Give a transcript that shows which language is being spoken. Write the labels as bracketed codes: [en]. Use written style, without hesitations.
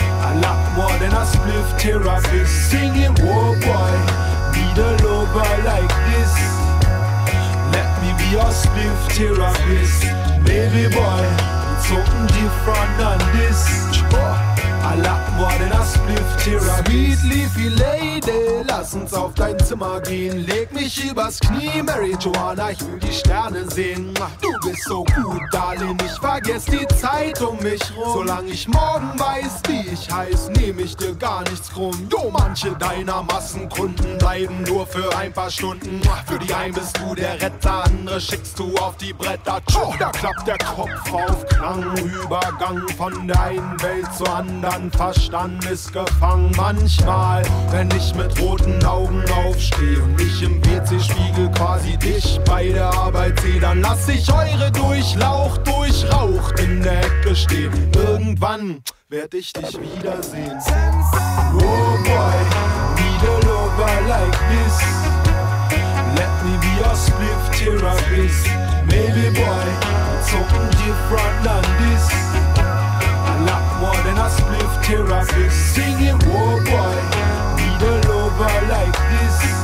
[en] A lot more than a spliff therapist. Singing, oh boy, need a lover like this. Let me be your spliff therapist. Maybe boy, it's something different than this. A lot more than a spliff therapist. Sweet leafy lady, [de] lass uns auf dein Zimmer gehen. Leg mich übers Knie, Mary Joanna, ich will die Sterne sehen. Du bist so gut, Darling, ich vergesse die Zeit um mich rum. Solange ich morgen weiß, wie ich heiß, nehm ich dir gar nichts krumm. Du, manche deiner Massenkunden bleiben nur für ein paar Stunden. Für die einen bist du der Retter, andere schickst du auf die Bretter. Tschuh, da klappt der Kopf auf Klang, Übergang von der einen Welt zur anderen. Dann Verstand ist gefangen. Manchmal, wenn ich mit roten Augen aufstehe und mich im WC-Spiegel quasi dich bei der Arbeit sehe, dann lass ich eure Durchlauch durchraucht in der Ecke stehen. Irgendwann werd ich dich wiedersehen. [en] Oh boy, need a lover like this. Let me be your spliff therapist. Maybe boy, something different than this. A spliff therapist singing, oh boy, need a lover like this.